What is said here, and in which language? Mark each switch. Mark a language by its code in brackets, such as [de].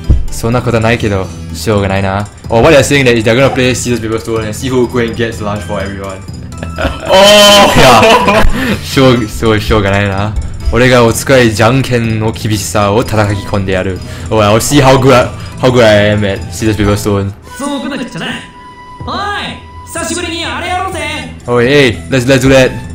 [ja] そんなことないけど、しょうがないな。 [en] Oh, what they're saying is they're gonna play scissors, paper, stone and see who go and gets lunch for everyone. Oh! [ja] Yeah. しょうがないな。俺がお使いじゃんけんの厳しさを叩き込んでやる。 [en] Oh, I'll see how good I am at scissors, paper, stone. [ja] そうかなくちゃな。おい、久しぶりにあれやろうぜ。 [en] Oh, hey, let's do that.